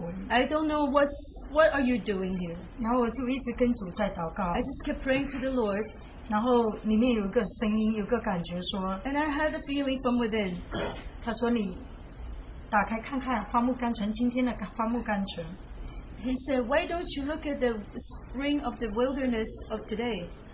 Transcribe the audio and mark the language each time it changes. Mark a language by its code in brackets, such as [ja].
[en] I don't know what are you doing here. I just kept praying to the Lord. [zh] 然后里面有一个声音,有一个感觉说, [en] and I had a feeling from within. [zh] 他说你, 打开看看花木甘泉今天的花木甘泉. [en] He said, why don't you look at the spring of the wilderness of today?